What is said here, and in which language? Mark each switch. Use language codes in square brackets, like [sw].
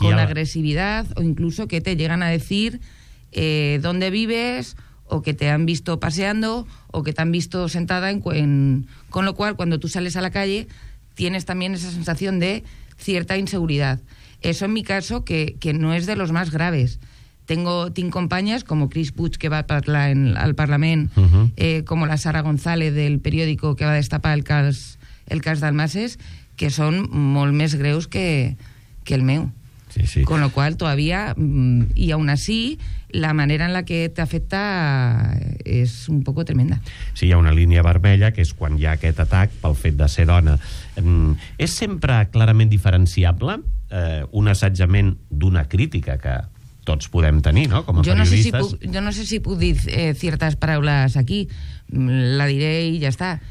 [es] con agresividad, o incluso que te llegan a decir dónde vives, o que te han visto paseando, o que te han visto sentada con lo cual, cuando tú sales a la calle, tienes también esa sensación de cierta inseguridad. Eso en mi caso, que no es de los más graves. [ca] Tinc companyes com Chris Puig, que va parlar al Parlament, uh-huh. Com la Sara González del periòdico, que va destapar el cas d'Almases, que són molt més greus que el meu. Sí, sí. [es] Con lo cual, todavía, y aún así, la manera en la que te afecta es un poco tremenda. [ca] Sí, hi ha una línia vermella, que és quan hi ha aquest atac pel fet de ser dona. És sempre clarament diferenciable un assetjament d'una crítica que tots podem tenir, no?, com a periodistes. Jo no sé si puc dir certes paraules aquí, la diré i ja està.